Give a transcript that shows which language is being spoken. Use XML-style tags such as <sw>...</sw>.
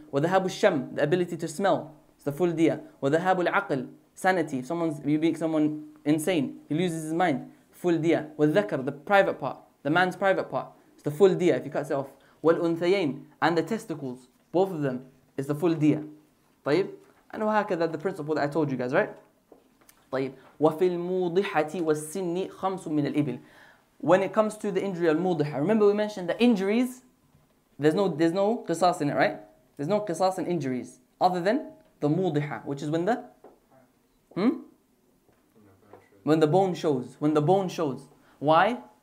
<ar>وذهب الشم,</ar> <en>the ability to smell, is the full diya.</en> <ar>وذهب العقل,</ar> <en>sanity, if you make someone insane, he loses his mind, full diya.</en> <ar>والذكر,</ar> <en>the private part, the man's private part, the full diya if you cut it off.</en> <ar>والأنثيين,</ar> <en>and the testicles, both of them, is the full diya.</en> <ar>طيب,</ar> <en>and</en> <ar>وهكذا,</ar> <en>the principle that I told you guys, right?</en> <ar>طيب, وفي الموضحة والسن خمس من الإبل.</ar> <en>When it comes to the injury al-mudiha, remember we mentioned that injuries, there's no qisas in it, right? There's no qisas in injuries other than the mudiha, which is when the bone shows. Why?</en>